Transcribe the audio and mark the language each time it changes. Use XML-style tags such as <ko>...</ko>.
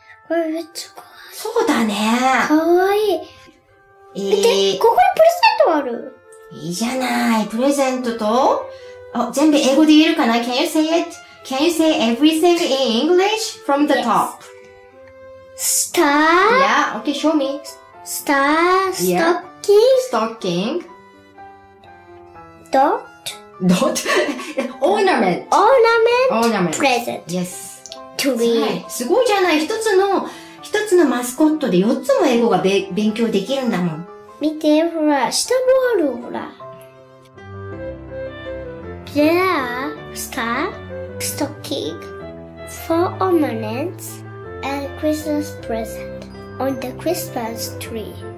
<ja>これめっちゃかわいい。そうだね。かわいい。見て、ここにプレゼントある。いいじゃない。プレゼントと、お、全部英語で言えるかな。</ja> <en>Can you say it? Can you say everything in English from the top? Star. Yeah. Okay. Show me. Star. Stocking. Stocking. Dog. Not ornament. Ornament. Ornament. Present. Yes. Tree.</en> <ja>すごいじゃない。一つのマスコットで四つも英語が勉強できるんだもん。見て、ほら、下もあるほら。</ja> <en>There are star, stocking, four ornaments, and Christmas present on the Christmas tree.</en>